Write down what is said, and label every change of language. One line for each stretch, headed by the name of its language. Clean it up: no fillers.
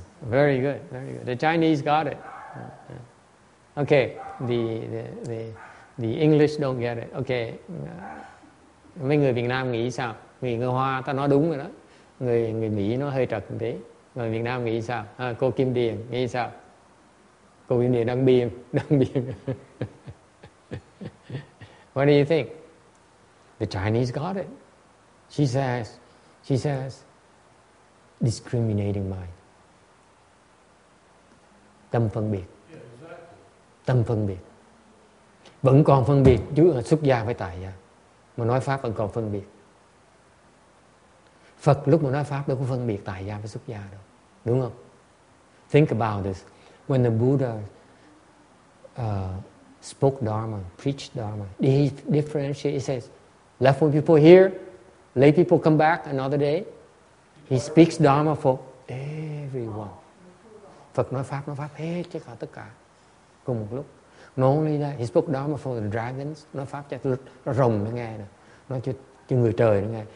English: Very good, very good. The Chinese got it. Okay, the English don't get it.
Vietnamese: Okay, mấy người Việt Nam nghĩ sao? Người người Hoa ta nói đúng rồi đó. Người người Mỹ nó hơi trật thế. Người Việt Nam nghĩ sao? À, cô Kim Điền nghĩ sao? Cô Kim Điền đang biên, đang biên.
English: What do you think? The Chinese got it. She says, discriminating mind.
Vietnamese: Tâm phân biệt. Tâm phân biệt. Vẫn còn phân biệt, chứ xuất gia với tại gia. Mà nói Pháp vẫn còn phân biệt. Phật lúc mà nói Pháp đâu có phân biệt tại gia với xuất gia đâu. Đúng không?
English: Think about this. When the Buddha spoke Dharma, preached Dharma, he differentiated, he says, left one people here, lay people come back another day. He speaks Dharma for everyone.
Vietnamese: Phật nói Pháp hết chứ cả tất cả. Cùng một lúc.
English: Not only that, he spoke Dharma for the dragons,
Vietnamese: nói Pháp cho rồng nó nghe, nói cho người trời nó nghe.